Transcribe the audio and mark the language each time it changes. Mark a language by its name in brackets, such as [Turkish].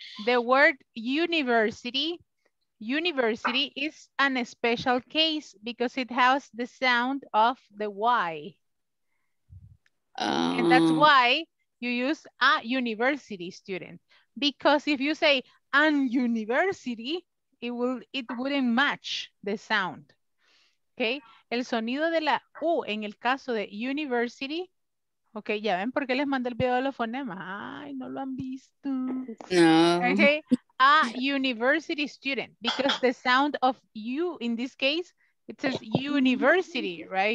[English] The word university, university is a special case because it has the sound of the Y. And that's why you use a university student. Because if you say an university, it wouldn't match the sound. Okay. [Spanish] El sonido de la U en el caso de university. Ok, ya ven por qué les mandé el video de los fonemas. Ay, no lo han visto. No. [English] Ok, a university student, because the sound of U, in this case, it says university, right?